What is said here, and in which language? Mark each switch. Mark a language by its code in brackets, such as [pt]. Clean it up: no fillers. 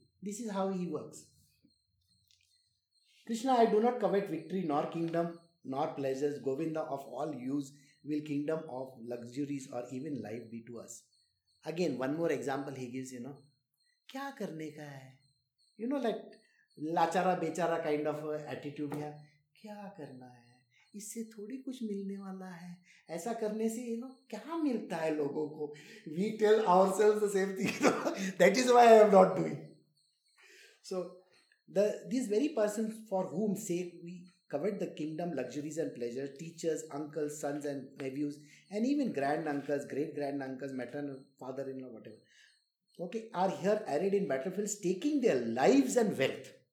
[en] This is how he works. Krishna, I do not covet victory, nor kingdom, nor pleasures. Govinda, of all use, will kingdom of luxuries or even life be to us. Again, one more example he gives, you know. [hi] Kya karne ka hai? [en] You know, like [hi] लाचारा बेचारा [en] kind of attitude, [hi] या क्या करना है, इससे थोड़ी कुछ मिलने वाला है, ऐसा करने से यू नो क्या मिलता है लोगों को, [en] We tell ourselves the same thing, that is why I am not doing. So the this very person for whom sake we covered the kingdom, luxuries and pleasures, teachers, uncles, sons and nephews, and even granduncles, great-granduncles, maternal, father-in-law, whatever, okay, are here arrayed in battlefields, taking their lives and wealth.